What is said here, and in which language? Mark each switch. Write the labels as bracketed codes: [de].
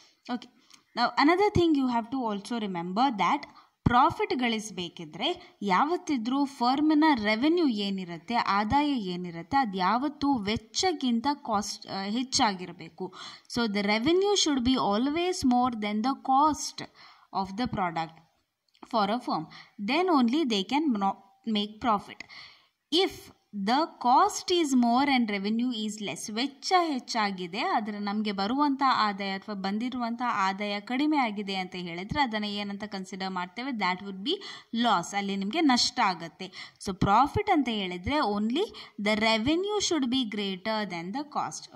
[kn] Okay, ನಾವು [en] another thing you have to also remember that [kn] profit ಗಳಿಸಬೇಕಿದ್ರೆ ಯಾವತ್ತಿದ್ರೂ ಫರ್ಮಿನ revenue ಏನಿರುತ್ತೆ, ಆದಾಯ ಏನಿರುತ್ತೆ, ಅದು ಯಾವತ್ತೂ ವೆಚ್ಚಕ್ಕಿಂತ cost ಹೆಚ್ಚಾಗಿರಬೇಕು. [en] So the revenue should be always more than the cost of the product for a firm, then only they can make profit. If The cost is more and revenue is less. [kn] ವೆಚ್ಚ ಹೆಚ್ಚಾಗಿದೆ ಆದರೆ ನಮಗೆ ಬರುವಂಥ ಆದಾಯ ಅಥವಾ ಬಂದಿರುವಂಥ ಆದಾಯ ಕಡಿಮೆ ಆಗಿದೆ ಅಂತ ಹೇಳಿದರೆ ಅದನ್ನು ಏನಂತ ಕನ್ಸಿಡರ್ ಮಾಡ್ತೇವೆ, [en] that would be loss, [kn] ಅಲ್ಲಿ ನಿಮಗೆ ನಷ್ಟ ಆಗುತ್ತೆ. [en] so profit [kn] ಅಂತ ಹೇಳಿದರೆ [en] Only the revenue should be greater than the cost.